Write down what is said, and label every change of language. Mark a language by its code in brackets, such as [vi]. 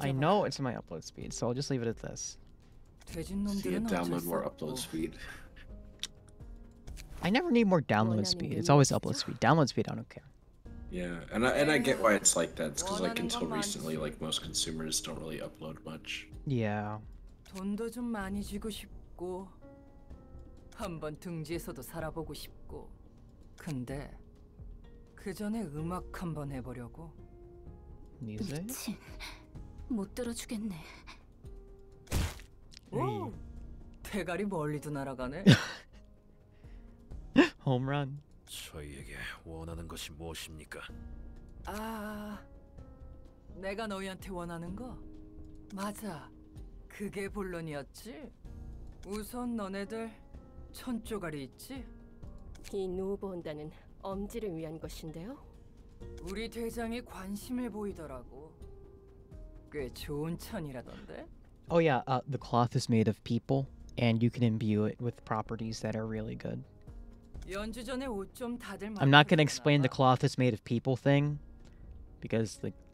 [en] I know it's my upload speed, so I'll just leave it at this. See, you download more upload speed. I never need more download speed. It's always upload speed. Download speed, I don't care. Yeah, and I get why it's like that. It's because, like, until recently, like, most consumers don't really upload much. Yeah. [ko] 돈도 좀 많이 주고 싶고 한번 등지에서도 살아보고 싶고 근데 그 전에 음악 한번 해보려고 미친 못 들어주겠네 오 대가리 멀리도 날아가네 홈런 저희에게 원하는 것이 무엇입니까? 아 내가 너희한테 원하는 거? 맞아 그게 본론이었지 우선 너네들 천 쪼가리 있지? 이 노보온다는 엄지를 위한 것인데요? 우리 대장이 관심을 보이더라고. 꽤 좋은 천이라던데? [en] Oh yeah, the cloth is made of people, and you can imbue it with properties that are really good. [ko] 연주 전에 옷 좀 다들 [en] I'm not gonna explain the cloth is made of people thing, because the...